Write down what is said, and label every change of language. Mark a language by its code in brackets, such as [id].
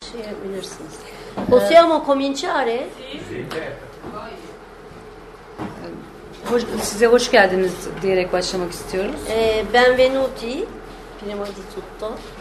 [it] Sì, possiamo cominciare? Sì, certo. [tr] Hoş geldiniz diyerek başlamak istiyoruz. [it] Benvenuti, prima di tutto.